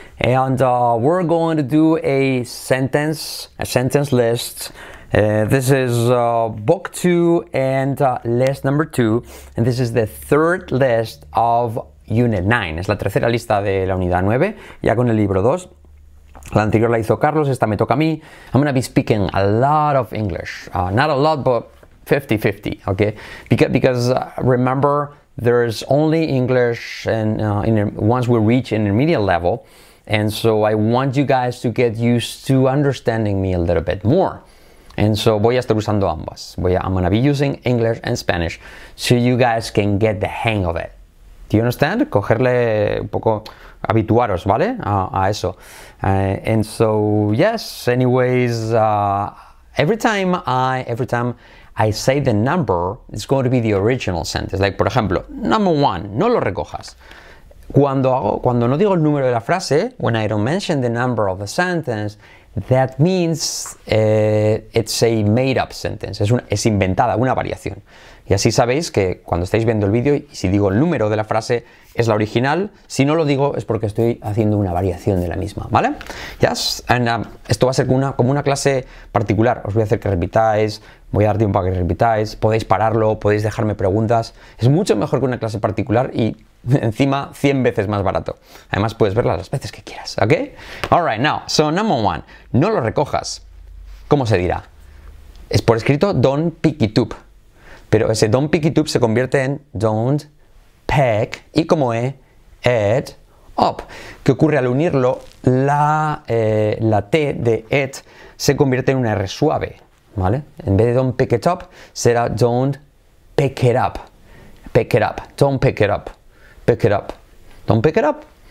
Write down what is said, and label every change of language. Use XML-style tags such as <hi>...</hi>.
<en>And we're going to do a sentence list. This is book two and list number two. And this is the third list of unit nine.</en> <es>Es la tercera lista de la unidad nueve, ya con el libro dos. La anterior la hizo Carlos, esta me toca a mí.</es> <en>I'm going to be speaking a lot of English. Not a lot, but 50-50, okay? Because remember, there's only English and once we reach an intermediate level, and so I want you guys to get used to understanding me a little bit more. And so</en> <es>voy a estar usando ambas.</es> <en>I'm going to be using English and Spanish so you guys can get the hang of it. Do you understand?</en> <es>Cogerle un poco, habituaros, ¿vale? A eso.</es> <en>And so, yes, anyways, every time I say the number, it's going to be the original sentence.</en> <es>Like, por ejemplo, number one, no lo recojas. Cuando no digo el número de la frase,</es> <en>when I don't mention the number of the sentence, that means it's a made-up sentence.</en> <es>Es inventada, una variación. Y así sabéis que cuando estáis viendo el vídeo, y si digo el número de la frase, es la original. Si no lo digo, es porque estoy haciendo una variación de la misma, ¿vale? Yes, and esto va a ser como una clase particular. Os voy a hacer que repitáis, voy a dar tiempo a que repitáis. Podéis pararlo, podéis dejarme preguntas. Es mucho mejor que una clase particular y encima 100 veces más barato. Además, puedes verla las veces que quieras, ¿ok?</es> <en>All right, now, so number one,</en> <es>no lo recojas. ¿Cómo se dirá? Es por escrito,</es> <en>don't pick it up.</en> <es>Pero ese don't pick it up se convierte en don't pick, y como e, it up. ¿Qué ocurre al unirlo? La T de it se convierte en una R suave, ¿vale? En vez de</es> <en>don't pick it up,</en> <es>será don't pick it up.</es> <en>Pick it up, don't pick it up, pick it up, don't pick it up.</en>